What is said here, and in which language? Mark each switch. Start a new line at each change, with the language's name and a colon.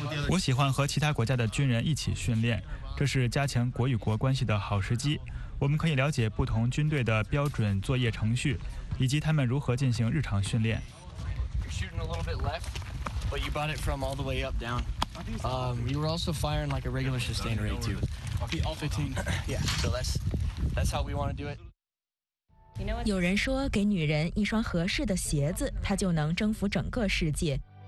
Chinese: 我喜欢和其他国家的军人一起训练，这是加强国与国关系的好时机。我们可以了解不同军队的标准作业程序，以及他们如何进行日常训练。
English: But you brought it from all the way up down. You were also firing like a regular sustained rate too. All 15. Yeah, so that's how we want to do it.
Chinese: 有人说给女人一双合适的鞋子，她就能征服整个世界。